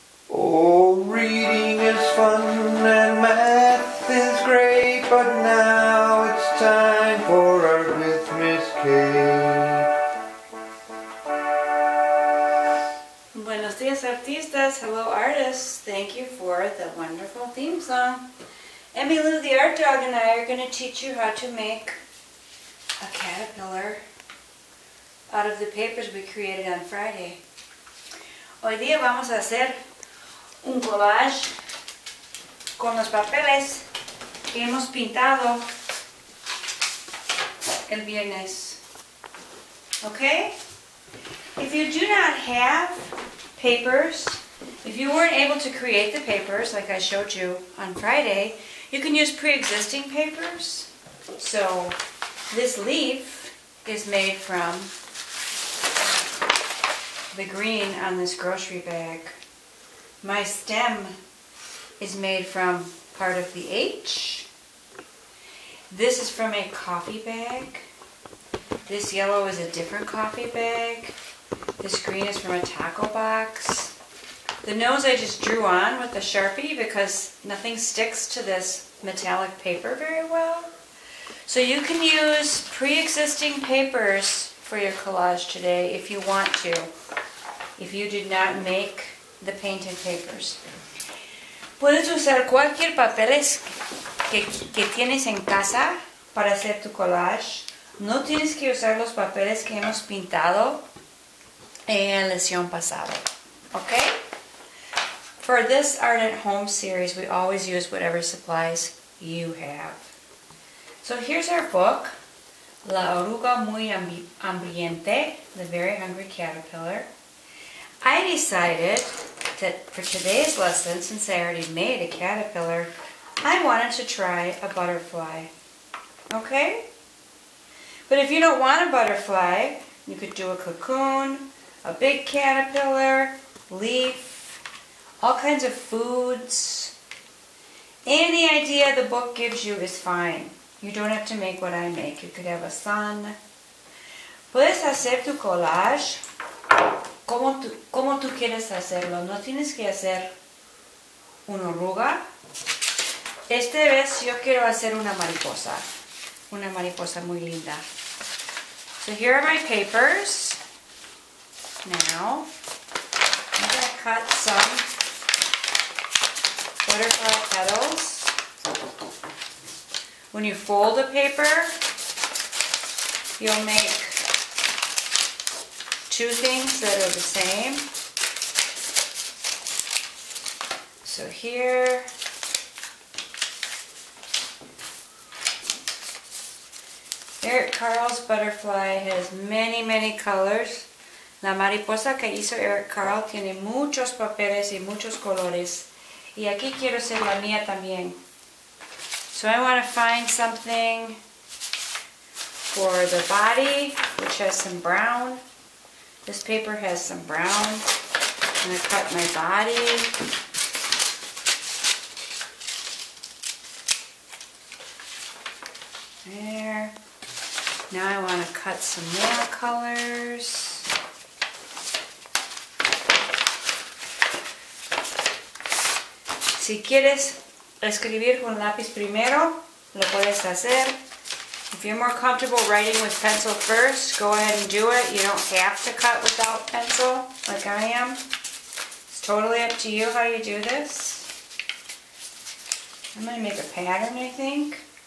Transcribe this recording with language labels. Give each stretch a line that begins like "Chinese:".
English: Oh, reading is fun and math is great, but now it's time for arithmetic.
Spanish: Buenos días, artistas.
English: Hello, artists. Thank you for the wonderful theme song. Emmy Lou the Art Dog and I are going to teach you how to make a caterpillar out of the papers we created on Friday.
Spanish: Hoy día vamos a hacer un collage con los papeles que hemos pintado el viernes. Okay?
English: If you do not have papers, if you weren't able to create the papers like I showed you on Friday, you can use pre-existing papers. So this leaf is made from the green on this grocery bag. My stem is made from part of the H. This is from a coffee bag. This yellow is a different coffee bag. This green is from a taco box. The nose I just drew on with a Sharpie because nothing sticks to this metallic paper very well. So you can use pre-existing papers for your collage today if you want to, if you did not make the painted papers.
Spanish: Puedes usar cualquier papeles que tienes en casa para hacer tu collage. No tienes que usar los papeles que hemos pintado en la lección pasada. Okay?
English: For this Art at Home series, we always use whatever supplies you have. So here's our book, La Oruga Muy Hambrienta, The Very Hungry Caterpillar. I decided that for today's lesson, since I already made a caterpillar, I wanted to try a butterfly. Okay? But if you don't want a butterfly, you could do a cocoon, a big caterpillar, leaf, all kinds of foods. Any idea the book gives you is fine. You don't have to make what I make. You could have a sun.
Spanish: Puedes hacer tu collage como tú quieres hacerlo. No tienes que hacer una oruga. Esta vez yo quiero hacer una mariposa. Una mariposa muy linda.
English: So here are my papers. Now, I'm going to cut some butterfly petals. When you fold a paper, you'll make two things that are the same. So here, Eric Carle's butterfly has many, many colors.
Spanish: La mariposa que hizo Eric Carle tiene muchos papeles y muchos colores. Y aquí quiero hacer la mía también.
English: So I want to find something for the body, which has some brown. This paper has some brown. I'm going to cut my body. There. Now I want to cut some more colors.
Spanish: Si quieres escribir con lápiz primero, lo puedes hacer.
English: If you're more comfortable writing with pencil first, go ahead and do it. You don't have to cut without pencil like I am. It's totally up to you how you do this. I'm going to make a pattern, I think.